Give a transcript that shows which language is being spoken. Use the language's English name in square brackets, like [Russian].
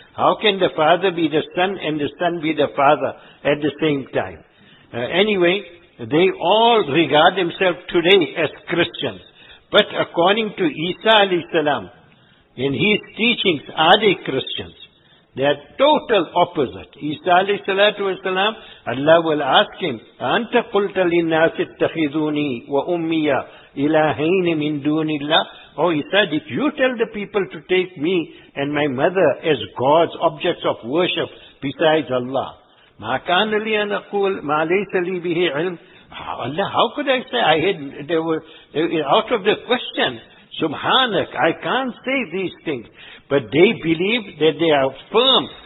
[English] How can the Father be the Son and the Son be the Father at the same time? Anyway, they all regard themselves today as Christians. But according to Isa alayhi salam, in his teachings, are they Christians? They are total opposite. Isa alayhi salatu wasalam, Allah will ask him, [Arabic] أَنْتَ قُلْتَ لِلنَّاسِ اتَّخِذُونِي وَأُمِّيَا إِلَٰهَيْنِ مِنْ دُونِ اللَّهِ. [English] Oh, he said, if you tell the people to take me and my mother as gods, objects of worship besides Allah, [Arabic] مَا كَانَ لِيَ نَقُولَ مَا لَيْسَ لِي بِهِ عِلْمٌ. [English] Allah, how could I say? They were out of the question. Subhanak, I can't say these things. But they believe that they are firm.